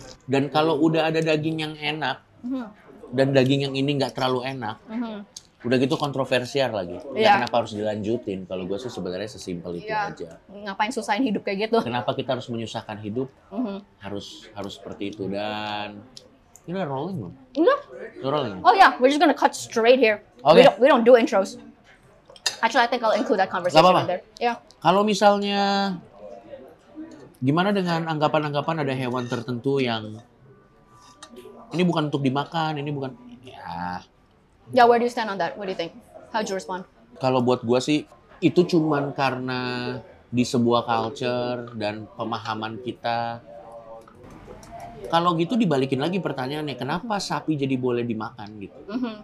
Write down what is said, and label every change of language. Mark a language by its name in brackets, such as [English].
[Indonesian] Dan kalau udah ada daging yang enak dan daging yang ini nggak terlalu enak, udah gitu kontroversial lagi. Yeah. Ya kenapa harus dilanjutin? Kalau gua sih sebenarnya sesimpel itu aja. Ngapain susahin hidup kayak gitu? Kenapa kita harus menyusahkan hidup? Harus seperti itu. Dan [English] You're not rolling, bro. Yeah. You're rolling. Oh yeah, we're just gonna cut straight here. Okay. We don't do intros. Actually, I think I'll include that conversation in there. Yeah. [Indonesian] Kalau misalnya, gimana dengan anggapan-anggapan ada hewan tertentu yang ini bukan untuk dimakan, ini bukan. Ya, [English] where do you stand on that? What do you think? How'd you respond? [Indonesian] Kalau buat gua sih, itu cuman karena di sebuah culture dan pemahaman kita. Kalau gitu dibalikin lagi pertanyaannya, kenapa sapi jadi boleh dimakan gitu? Mm-hmm.